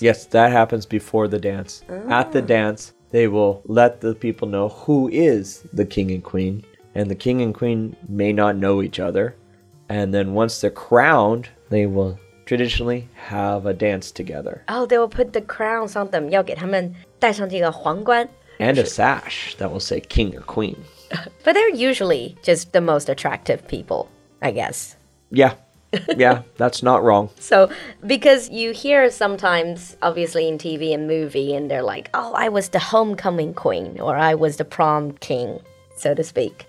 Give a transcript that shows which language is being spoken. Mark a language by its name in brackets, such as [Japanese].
[English] Yes, that happens before the dance. Oh. At the dance, they will let the people know who is the king and queen. And the king and queen may not know each other. And then once they're crowned, they will traditionally have a dance together. Oh, they will put the crowns on them. [Chinese] 要给他们戴上这个皇冠。 [English] And a sash that will say king or queen. But they're usually just the most attractive people, I guess. Yeah. Yeah, that's not wrong. So, because you hear sometimes, obviously in TV and movie, and they're like, oh, I was the homecoming queen, or I was the prom king, so to speak.